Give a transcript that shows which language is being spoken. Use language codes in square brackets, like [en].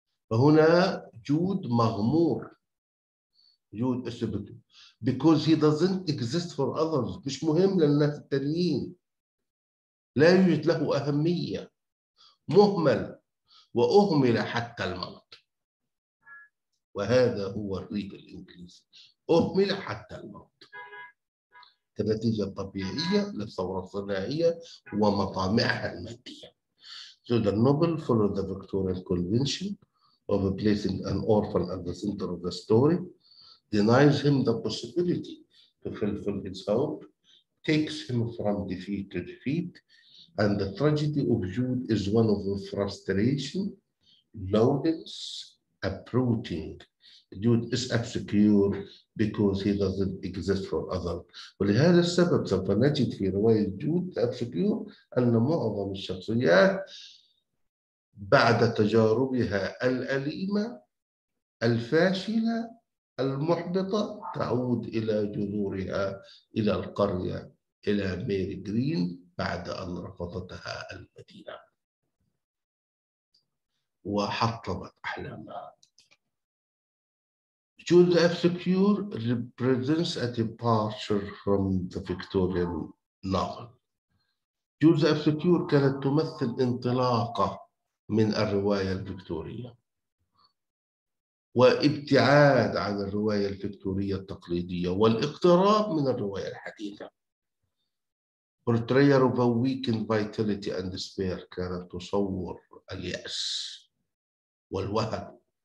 [ar] فهنا جود مغمور. جود اسمه [en] because he doesn't exist for others، [ar] مش مهم للناس التانيين، لا يوجد له أهمية، مهمل وأهمل حتى الموت. وهذا هو الريف الإنجليزي، أهمل حتى الموت، كنتيجة طبيعية للثورة الصناعية ومطامعها المادية. [en] So the novel followed the Victorian convention of placing an orphan at the center of the story, denies him the possibility to fulfill his hope, takes him from defeat to defeat, and the tragedy of Jude is one of frustration, loneliness, uprooting. Jude is insecure because he doesn't exist for others. [ar] ولهذا السبب سوف نجد في رواية جود the Obscure أن معظم الشخصيات بعد تجاربها الأليمة الفاشلة المحبطة تعود إلى جذورها إلى القرية إلى ميري جرين بعد أن رفضتها المدينة وحطمت أحلامها. [en] Jude the Obscure represents a departure from the Victorian novel. [ar] Jude the Obscure كانت تمثل انطلاقة من الرواية الفكتورية وابتعاد عن الرواية الفكتورية التقليدية والاقتراب من الرواية الحديثة. [en] Portrayal of a weakened vitality and despair [ar] كانت تصور اليأس والوهن.